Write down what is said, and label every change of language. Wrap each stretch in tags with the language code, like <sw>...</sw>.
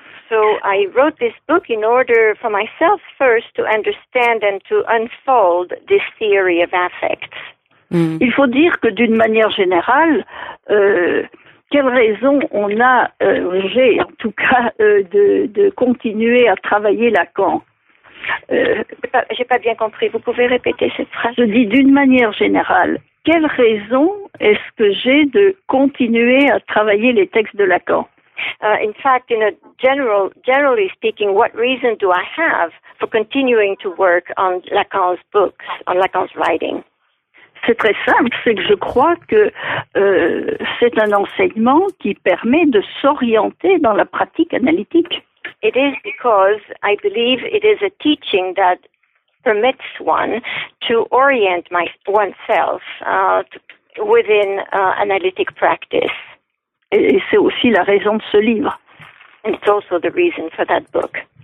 <en>So I wrote this book in order for myself first to understand and to unfold this theory of affects.</en> <fr>Il faut dire que d'une manière générale, quelle raison on a, j'ai en tout cas, de continuer à travailler Lacan. J'ai pas bien compris, vous pouvez répéter cette phrase. Je dis d'une manière générale, quelle raison est-ce que j'ai de continuer à travailler les textes de Lacan?</fr> <en>In fact, in a generally speaking, what reason do I have for continuing to work on Lacan's books, on Lacan's writing?</en> <fr>C'est très simple, c'est que je crois que c'est un enseignement qui permet de s'orienter dans la pratique analytique.</fr> <en>It is because I believe it is a teaching that permits one to orient oneself within analytic practice.</en> <fr>Et c'est aussi la raison de ce livre.</fr> <en>And it's also the reason for that book.</en>